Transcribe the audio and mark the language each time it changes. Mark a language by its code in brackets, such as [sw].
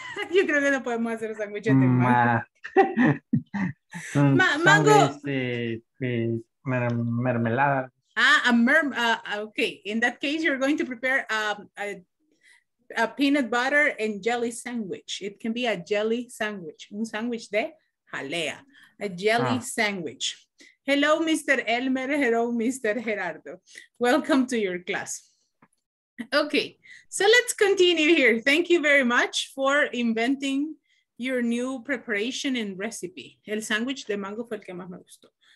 [es] Yo creo que no podemos hacer sándwiches de mango. Mermelada. [en] Okay. In that case, you're going to prepare a peanut butter and jelly sandwich. It can be a jelly sandwich. [es] Un sandwich de jalea. [en] A jelly sandwich. Hello, Mr. Elmer. Hello, Mr. Gerardo. Welcome to your class. Okay, so let's continue here. Thank you very much for inventing your new preparation and recipe. [es] El sandwich de mango fue el que más me gustó.